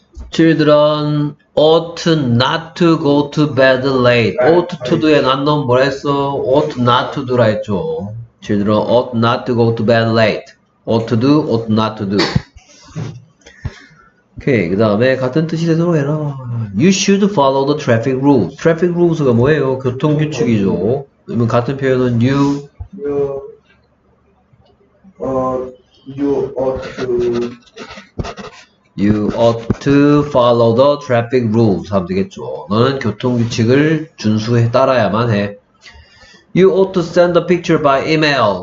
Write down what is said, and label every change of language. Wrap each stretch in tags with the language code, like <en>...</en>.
<en>children ought not to go to bed late. Ought to do에</en> <ko>난 넌 뭐라 했어?</ko> <en>Ought not to do라 했죠. Children ought not to go to bed late. Ought to do, ought not to do.</en> <ko>오케이, 그 다음에 같은 뜻이 되도록 해라.</ko> <en>You should follow the traffic rules. Traffic rules가</en> <ko>뭐예요? 교통규칙이죠. 그러면 같은 표현은</ko> <en>you ought to follow the traffic rules</en> <ko>하면 되겠죠. 너는 교통규칙을 준수해 따라야만 해.</ko> <en>You ought to send a picture by email.</en>